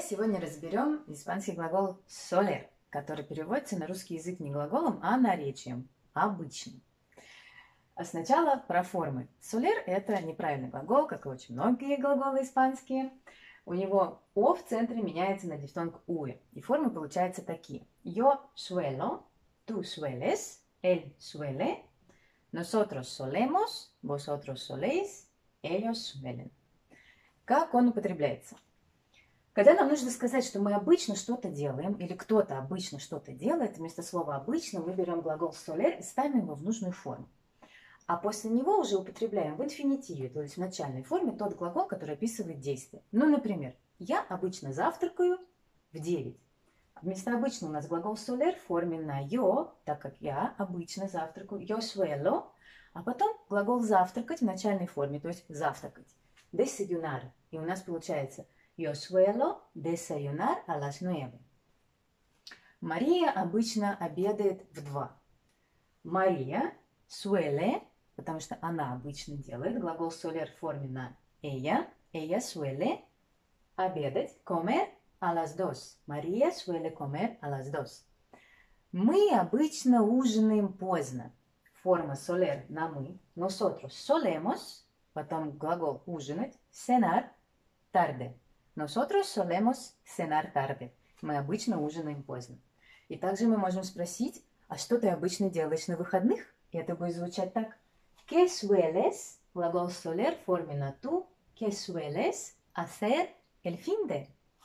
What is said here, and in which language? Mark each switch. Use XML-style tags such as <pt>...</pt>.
<ru>Сегодня разберем испанский глагол «soler», который переводится на русский язык не глаголом, а наречием «обычным». А сначала про формы. «Soler» — это неправильный глагол, как и очень многие глаголы испанские. У него «о» в центре меняется на дифтонг «уе», и формы получаются такие.</ru> <es>«Yo suelo», «tú sueles», «él suele», «nosotros solemos», «vosotros soléis», «ellos suelen».</es> <ru>Как он употребляется? Когда нам нужно сказать, что мы обычно что-то делаем, или кто-то обычно что-то делает, вместо слова «обычно» выберем глагол «soler» и ставим его в нужную форму. А после него уже употребляем в инфинитиве, то есть в начальной форме, тот глагол, который описывает действие. Ну, например, «я обычно завтракаю в 9». Вместо «обычно» у нас глагол «soler» в форме на «yo», так как «я обычно завтракаю», «yo suelo», а потом глагол «завтракать» в начальной форме, то есть «завтракать», «desayunar», и у нас получается</ru> <es>Yo suelo desayunar a las 9.</es> <ru>Мария обычно обедает в 2. Мария suele, потому что она обычно делает, глагол soler в форме на ella.</ru> <es>Ella suele обедать, comer a las 2. Мария suele comer a las 2.</es> <ru>Мы обычно ужинаем поздно. Форма soler на мы.</ru> <es>Nosotros solemos,</es> <ru>потом глагол ужинать,</ru> <es>cenar, tarde. Nosotros solemos cenar tarde.</es> <ru>Мы обычно ужинаем поздно. И также мы можем спросить, а что ты обычно делаешь на выходных? И это будет звучать так.</ru> <es>¿Qué sueles?</es> <ru>Глагол soler в форме на tú.</ru> <es>¿Qué sueles hacer el fin de?</es>